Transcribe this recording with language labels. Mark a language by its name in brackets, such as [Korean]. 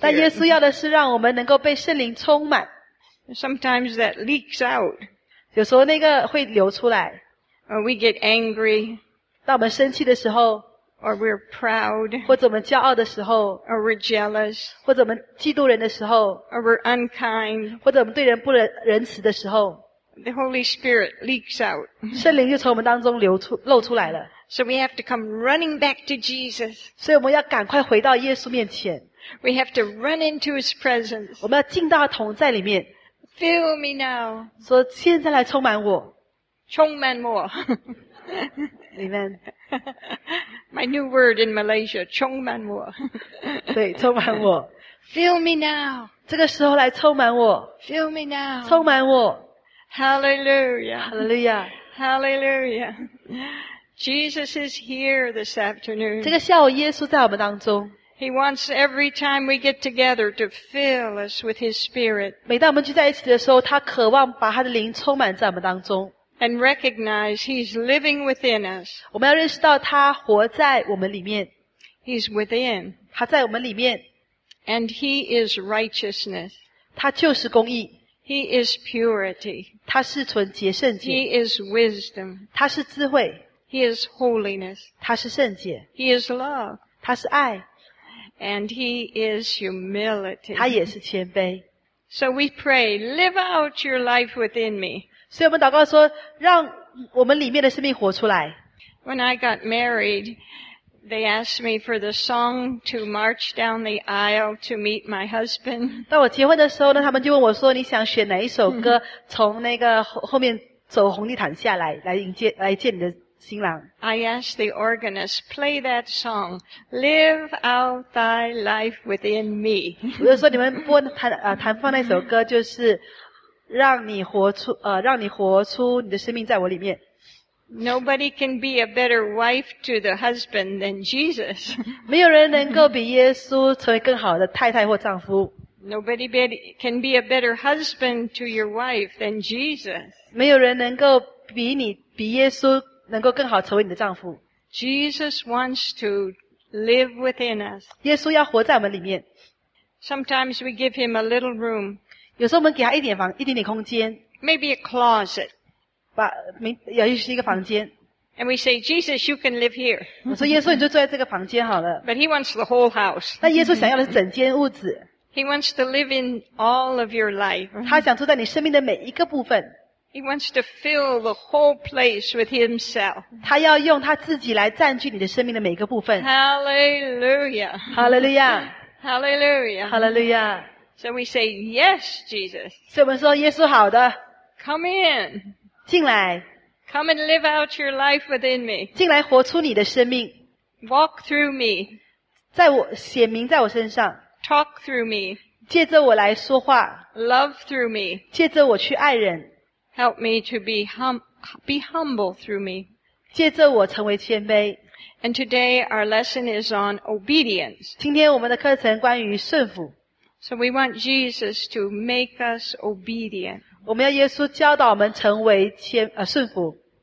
[Chinese] 但耶稣要的是让我们能够被圣灵充满。 [English] Sometimes that leaks out. [Chinese] 有时候那个会流出来。 [English] We get angry. [Chinese] 当我们生气的时候。 [English] Or we're proud. [Chinese] 或者我们骄傲的时候。 [English] Or we're jealous. [Chinese] 或者我们嫉妒人的时候。 [English] Or we're unkind. [Chinese] 或者我们对人不仁慈的时候。 [English] The Holy Spirit leaks out. [Chinese] 圣灵就从我们当中漏出来了。 [English] So we have to come running back to Jesus. [Chinese] 所以我们要赶快回到耶稣面前。 [English] We have to run into His presence. [Chinese] 我们要进到同在里面。 [English] Fill me now. [Chinese] 说现在来充满我。充满我。 [English] Amen. My new word in Malaysia, [Chinese] 充满我。对充满我。 [English] Fill me now. [Chinese] 这个时候来充满我。 [English] Fill me now. [Chinese] 充满我。 [English] Hallelujah. Hallelujah. Hallelujah. Jesus is here this afternoon. [Chinese] 这个下午耶稣在我们当中。 [English] He wants every time we get together to fill us with His Spirit. [Chinese] 每当我们聚在一起的时候，他渴望把他的灵充满在我们当中。 [English] And recognize He's living within us. [Chinese] 我们要认识到他活在我们里面。 [English] He's within. [Chinese] 他在我们里面。 [English] And He is righteousness. [Chinese] 他就是公义。 [English] He is purity. [Chinese] 他是纯洁圣洁。 [English] He is wisdom. [Chinese] 他是智慧。 [English] He is holiness. [Chinese] 他是圣洁。 [English] He is love. [Chinese] 他是爱。 [English] And He is humility. [Chinese] 他也是谦卑。 [English] So we pray, live out your life within me. [Chinese] 所以我们祷告说，让我们里面的生命活出来。 [English] When I got married, they asked me for the song to march down the aisle to meet my husband. [Chinese] 当我结婚的时候呢，他们就问我说，你想选哪一首歌，从那个后面走红地毯下来，来见你的。 [English] I asked the organist, play that song, Live Out Thy Life Within Me. [Chinese] 我就说你们播弹放那首歌就是让你活出你的生命在我里面。 [English] Nobody can be a better wife to the husband than Jesus. [Chinese] 没有人能够比耶稣成为更好的太太或丈夫。 [English] Nobody can be a better husband to your wife than Jesus. [Chinese] 没有人能够比耶稣能够更好成为你的丈夫。 [English] Jesus wants to live within us. [Chinese] 耶稣要活在我们里面。 [English] Sometimes we give him a little room. [Chinese] 有时候我们给他一点房，一点点空间。 [English] Maybe a closet. [Chinese] 也许是一个房间。 [English] And we say, Jesus, you can live here. [Chinese] 我说耶稣，你就住在这个房间好了。 [English] But he wants the whole house. [Chinese] 但耶稣想要的是整间屋子。 [English] He wants to live in all of your life. [Chinese] 他想住在你生命的每一个部分。 [English] He wants to fill the whole place with himself. [Chinese] 他要用他自己来占据你的生命的每个部分。 [English] Hallelujah. Hallelujah. Hallelujah. Hallelujah. So we say, yes, Jesus. [Chinese] 所以我们说耶稣好的。 [English] Come in. [Chinese] 进来。 [English] Come and live out your life within me. [Chinese] 进来活出你的生命。 [English] Walk through me. [Chinese] 在我显明在我身上。 [English] Talk through me. [Chinese] 借着我来说话。 [English] Love through me. [Chinese] 借着我去爱人。 [English] Help me to be humble through me. [Chinese] 借着我成为谦卑。 [English] And today our lesson is on obedience. [Chinese] 今天我们的课程关于顺服。 [English] So we want Jesus to make us obedient. [Chinese] 我们要耶稣教导我们成为顺服。